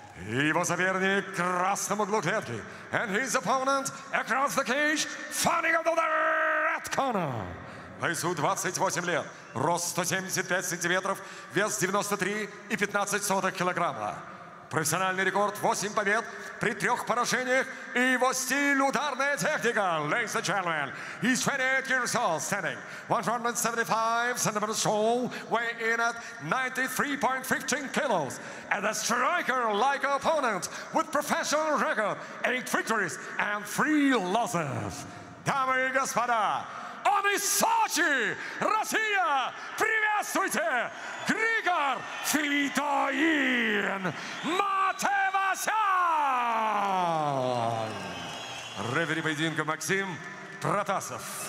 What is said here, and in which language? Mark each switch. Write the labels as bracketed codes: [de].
[ru] Его соперник в красном углу клетки. [en] And his opponent across the cage, fighting out of the red corner. [ru] Бойцу 28 лет, рост 175 сантиметров, вес 93,15 килограмма. Профессиональный рекорд 8 побед при 3 поражениях и его стиль ударная техника. [en] Ladies and gentlemen, he's 28 years old, standing 175 centimeters tall, weighing at 93.15 kilos. And a striker-like opponent with professional record, 8 victories and 3 losses. [ru] Дамы и господа, он из Сочи, Россия, приветствуйте! Григор Фидоин Матевасян! Рефери поединка Максим Протасов.